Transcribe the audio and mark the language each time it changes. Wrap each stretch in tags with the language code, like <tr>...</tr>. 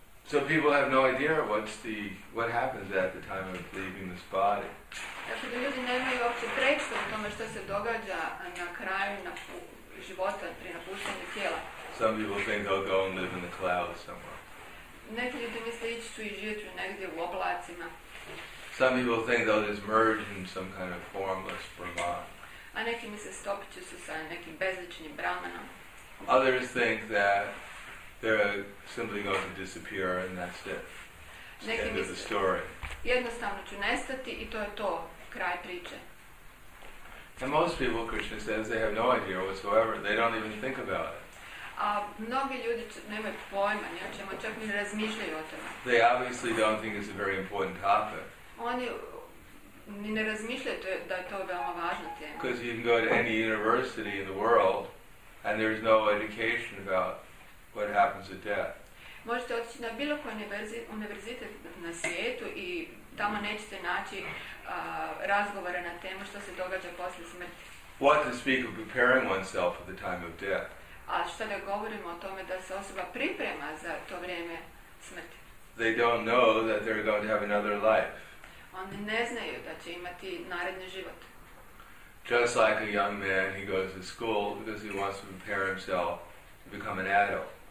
<en>So people have no idea what happens at the time of leaving this body.</en> <hr>Dakle, ljudi nemaju uopće predstavu o tome što se događa na kraju života pri napuštanju tijela.</hr> <en>Some people think they'll go and live in the clouds somewhere.</en> <hr>Neki ljudi misle ići su i živjeti negdje u oblacima.</hr> <en>Some people think they'll just merge in some kind of formless Brahman.</en> <hr>A neki misle stopit će se sa nekim bezličnim Brahmanom.</hr> <en>Others think that they're simply going to disappear, and that's it. End of the story.</en> <hr>Jednostavno ću nestati i to je to, kraj priče.</hr> <en>And most people, Krishna says, they have no idea whatsoever. They don't even think about it.</en> <hr>A mnogi ljudi nemaju pojma, ni o čemu, čak ni razmišljaju o tome.</hr> <en>They obviously don't think it's a very important topic.</en> <hr>Oni ni ne razmišljaju da je to veoma važna tema.</hr> <en>Because you can go to any university in the world, and there's no education about what happens at death.</en> <hr>Možete otići na bilo koji univerzitet na svijetu i tamo nećete naći razgovore na temu što se događa posle smrti.</hr> <en>What to speak of preparing oneself for the time of death?</en> <hr>A što da govorimo o tome da se osoba priprema za to vrijeme smrti?</hr> <en>They don't know that they're going to have another life.</en> <hr>Oni ne znaju da će imati naredni život.</hr> <en>Just like a young man, he goes to school because he wants to prepare himself to become an adult.</en>